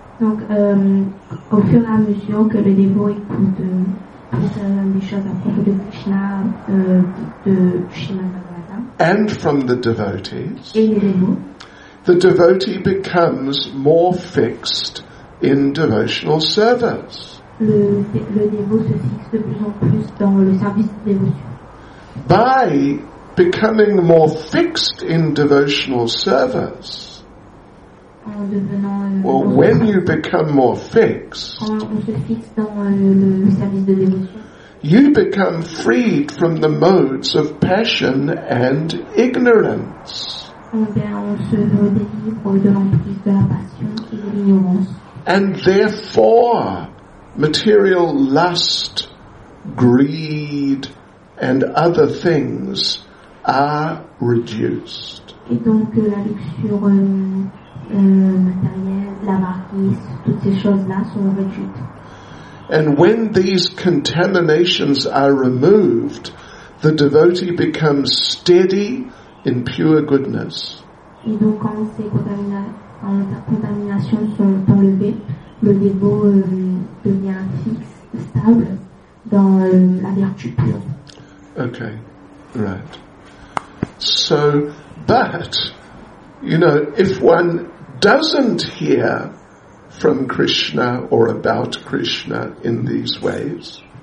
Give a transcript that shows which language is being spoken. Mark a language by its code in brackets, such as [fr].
[fr] donc au fur et à mesure que le dévot écoute des choses à propos de Krishna de Srimad Bhagavatam, [en] and from the devotees, [fr] et les dévots, [en] the devotee becomes more fixed in devotional service. [fr] Le dévot se fixe de plus en plus dans le service de dévotion. [en] By becoming more fixed in devotional service, [fr] en devenant, [en] when you become more fixed, [fr] quand on se fixe dans le service de dévotion, [en] you become freed from the modes of passion and ignorance. [fr] On se délivre de l'emprise de la passion et de l'ignorance. [en] And therefore, material lust, greed, and other things are reduced. [fr] Et donc la luxure matérielle, l'avarice, toutes ces choses-là sont réduites. [en] And when these contaminations are removed, the devotee becomes steady in pure goodness. [fr] Et donc quand ces contaminations sont enlevées, le dévot devient fixe, stable dans la vertu pure. [en] Okay, right. So, but, you know, if one doesn't hear from Krishna or about Krishna in these ways.